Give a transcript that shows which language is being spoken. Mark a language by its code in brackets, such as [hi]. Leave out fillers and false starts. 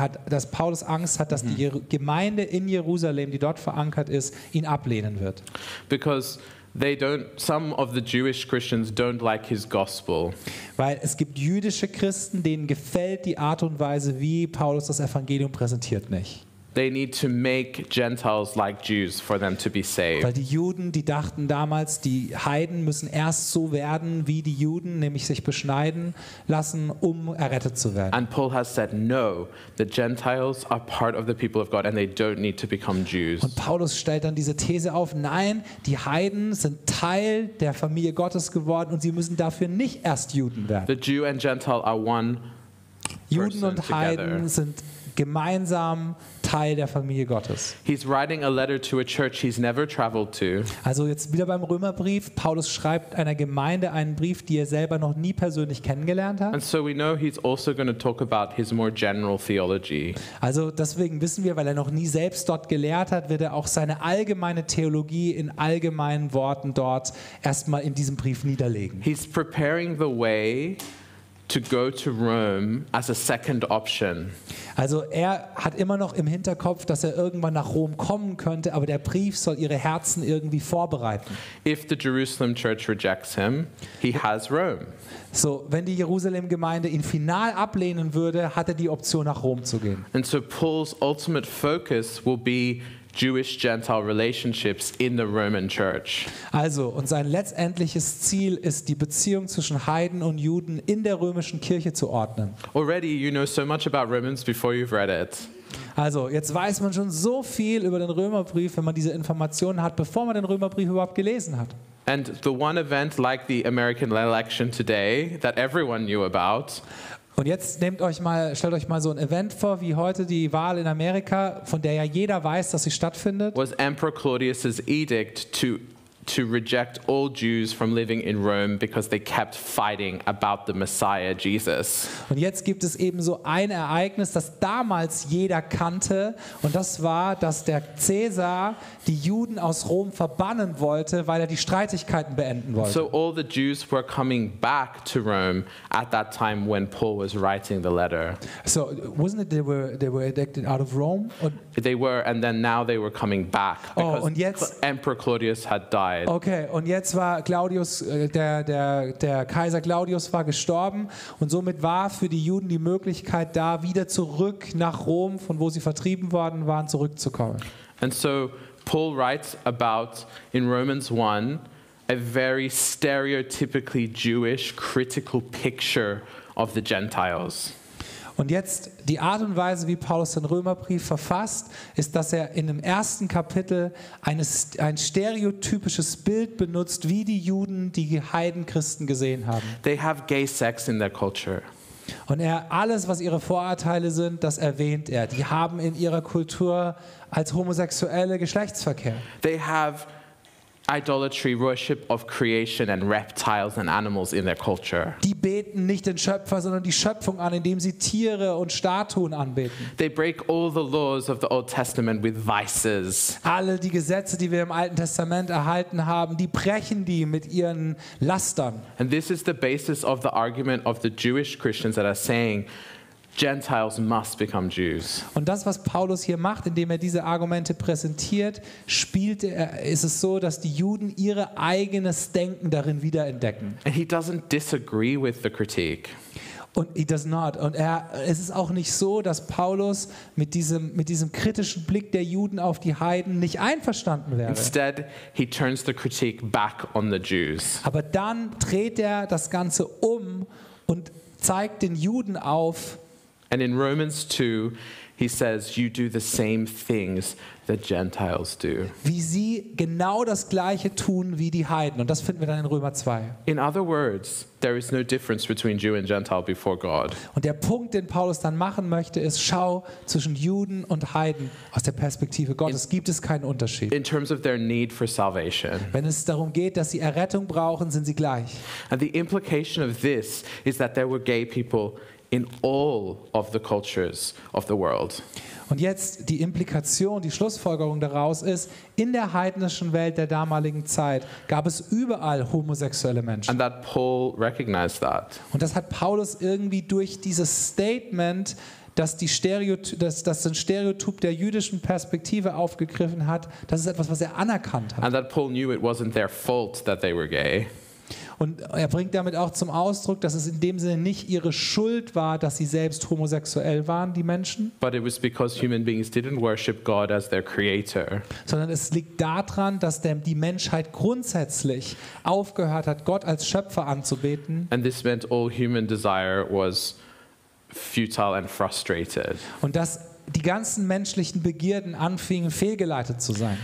[de] hat, dass Paulus Angst hat, dass die Gemeinde in Jerusalem, die dort verankert ist, ihn ablehnen wird. [en] Because they don't, some of the Jewish Christians don't like his gospel. [de] Weil es gibt jüdische Christen, denen gefällt die Art und Weise, wie Paulus das Evangelium präsentiert, nicht. [en] They need to make Gentiles like Jews for them to be saved. [de] Weil die Juden, die dachten damals, die Heiden müssen erst so werden wie die Juden, nämlich sich beschneiden lassen, um errettet zu werden. [en] And Paul has said no, the Gentiles are part of the people of God and they don't need to become Jews. [de] Und Paulus stellt dann diese These auf, nein, die Heiden sind Teil der Familie Gottes geworden und sie müssen dafür nicht erst Juden werden. [en] The Jew and Gentile are one. [de] Juden und Heiden [en] together. [de] Sind gemeinsam Teil der Familie Gottes. [en] He's writing a letter to a church he's never traveled to. [de] Also jetzt wieder beim Römerbrief. Paulus schreibt einer Gemeinde einen Brief, die er selber noch nie persönlich kennengelernt hat. [en] And so we know he's also going to talk about his more general theology. [de] Also deswegen wissen wir, weil er noch nie selbst dort gelehrt hat, wird er auch seine allgemeine Theologie in allgemeinen Worten dort erstmal in diesem Brief niederlegen. [en] He's preparing the way to go to Rome as a second option. [de] Also er hat immer noch im Hinterkopf, dass er irgendwann nach Rom kommen könnte, aber der Brief soll ihre Herzen irgendwie vorbereiten. [en] If the Jerusalem church rejects him, he has Rome. [de] So, wenn die Jerusalem-Gemeinde ihn final ablehnen würde, hat er die Option, nach Rom zu gehen. [en] And so Paul's ultimate focus will be Jewish-Gentile relationships in the Roman Church. [de] Also, und sein letztendliches Ziel ist, die Beziehung zwischen Heiden und Juden in der römischen Kirche zu ordnen. [en] Already you know so much about Romans before you've read it. [de] Also, jetzt weiß man schon so viel über den Römerbrief, wenn man diese Informationen hat, bevor man den Römerbrief überhaupt gelesen hat. [en] And the one event like the American election today that everyone knew about. [de] Und jetzt nehmt euch mal, stellt euch mal so ein Event vor, wie heute die Wahl in Amerika, von der ja jeder weiß, dass sie stattfindet. [en] Was Emperor Claudius's edict to reject all Jews from living in Rome because they kept fighting about the Messiah Jesus. [de] Und jetzt gibt es eben so ein Ereignis, das damals jeder kannte, und das war, dass der Caesar die Juden aus Rom verbannen wollte, weil er die Streitigkeiten beenden wollte. [en] So all the Jews were coming back to Rome at that time when Paul was writing the letter. So wasn't it they were evicted out of Rome? They were, and then now they were coming back because Emperor Claudius had died. [de] Okay, und jetzt war Claudius, der Kaiser Claudius war gestorben, und somit war für die Juden die Möglichkeit da, wieder zurück nach Rom, von wo sie vertrieben worden waren, zurückzukommen. [en] And so Paul writes about in Romans 1 a very stereotypically Jewish critical picture of the Gentiles. [de] Und jetzt die Art und Weise, wie Paulus den Römerbrief verfasst, ist, dass er in dem ersten Kapitel ein stereotypisches Bild benutzt, wie die Juden die Heidenchristen gesehen haben. [en] They have gay sex in their culture. [de] Und er, alles, was ihre Vorurteile sind, das erwähnt er. Die haben in ihrer Kultur als Homosexuelle Geschlechtsverkehr. [en] They have idolatry, worship of creation and reptiles and animals in their culture. [de] Die beten nicht den Schöpfer, sondern die Schöpfung an, indem sie Tiere und Statuen anbeten. [en] They break all the laws of the Old Testament with vices. [de] Alle die Gesetze, die wir im Alten Testament erhalten haben, die brechen die mit ihren Lastern. [en] And this is the basis of the argument of the Jewish Christians that are saying Gentiles must become Jews. [de] Und das, was Paulus hier macht, indem er diese Argumente präsentiert, spielt er, ist es so, dass die Juden ihr eigenes Denken darin wiederentdecken. [en] And he doesn't disagree with the critique. [de] Und [en] he does not. [de] Und es ist auch nicht so, dass Paulus mit diesem kritischen Blick der Juden auf die Heiden nicht einverstanden wäre. [en] Instead, he turns the critique back on the Jews. [de] Aber dann dreht er das Ganze um und zeigt den Juden auf. [en] And in Romans 2, he says, you do the same things that Gentiles do. [de] Wie sie genau das Gleiche tun wie die Heiden. Und das finden wir dann in Römer 2. [en] In other words, there is no difference between Jew and Gentile before God. [de] Und der Punkt, den Paulus dann machen möchte, ist, schau, zwischen Juden und Heiden aus der Perspektive Gottes gibt es keinen Unterschied. [en] In terms of their need for salvation. [de] Wenn es darum geht, dass sie Errettung brauchen, sind sie gleich. [en] And the implication of this is that there were gay people in all of the cultures of the world. [de] Und jetzt die Implikation, die Schlussfolgerung daraus ist, in der heidnischen Welt der damaligen Zeit gab es überall homosexuelle Menschen. [en] And that Paul recognized that. [de] Und das hat Paulus irgendwie durch dieses Statement, dass den Stereotyp der jüdischen Perspektive aufgegriffen hat, das ist etwas, was er anerkannt hat. [en] And that Paul knew it wasn't their fault that they were gay. [de] Und er bringt damit auch zum Ausdruck, dass es in dem Sinne nicht ihre Schuld war, dass sie selbst homosexuell waren, die Menschen. [en] But it was because human beings didn't worship God as their creator. [de] Sondern es liegt daran, dass die Menschheit grundsätzlich aufgehört hat, Gott als Schöpfer anzubeten. [en] And this meant all human desire was futile and frustrated. [de] Und dass die ganzen menschlichen Begierden anfingen, fehlgeleitet zu sein.